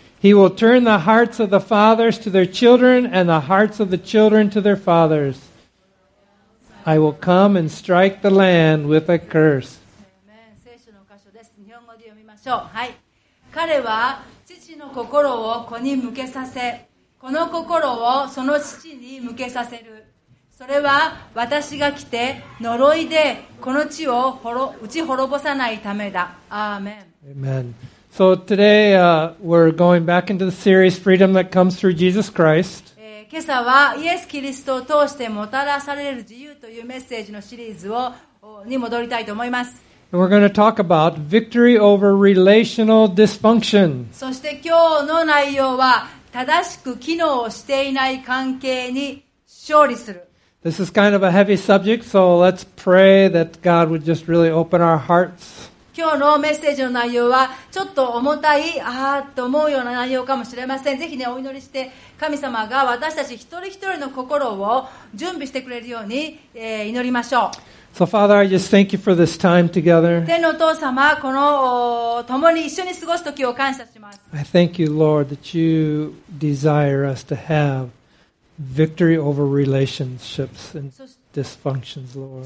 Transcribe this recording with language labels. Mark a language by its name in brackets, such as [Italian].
[English] He will turn the hearts of the fathers to their children and the hearts of the children to their fathers. I will come and strike the land with a curse. [Japanese] Amen. 聖書の箇所です。日本語で読みましょう。はい。彼は父の心を子に向けさせ、この心をその父に向けさせる。それは私が来て呪いでこの地を打ち滅ぼさないためだ。アーメン。 [English] Amen. So today, we're going back into the series Freedom That Comes Through Jesus Christ. [Japanese] 今朝はイエス・キリストを通してもたらされる自由というメッセージのシリーズをに戻りたいと思います。 [English] And we're going to talk about victory over relational dysfunction. [Japanese] そして今日の内容は正しく機能していない関係に勝利する。 [English] This is kind of a heavy subject, so let's pray that God would just really open our hearts. [Japanese] 今日のメッセージの内容はちょっと重たい、ああと思うような内容かもしれません。ぜひね、お祈りして神様が私たち一人一人の心を準備してくれるように、祈りましょう。 [English] So Father, I just thank you for this time together. [Japanese] 天のお父様、この共に一緒に過ごす時を感謝します。 [English] I thank you, Lord, that you desire us to have victory over relationships and dysfunctions, Lord.